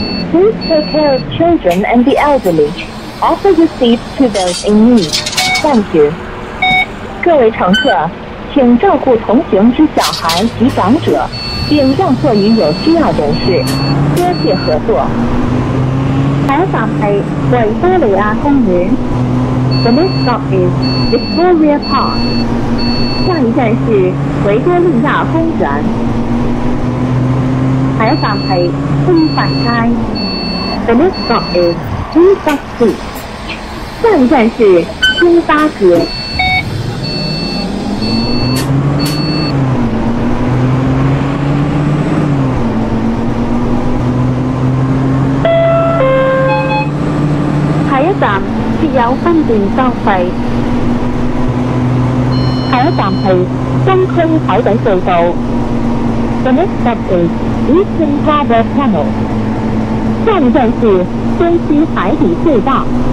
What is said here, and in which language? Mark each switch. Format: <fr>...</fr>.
<en>Please take care of children and the elderly. Offer your seat to those in need. Thank you.</en> <zh>各位乘客，请照顾同行之小孩及长者，并让座于有需要人士。多谢合作。下一站是维多利亚公园。</zh> <en>The next stop is Victoria Park.</en> <zh>下一站是维多利亚公园。下一站是通法街。</zh> <en>The next stop is Hubbard Street.</en> <zh>下一站是新巴格。下一站设有分段收费。下一站是东区海底隧道。</zh> <en>The next stop is Eastern Harbour Tunnel.</en> <zh>下一站是东区海底隧道。</zh>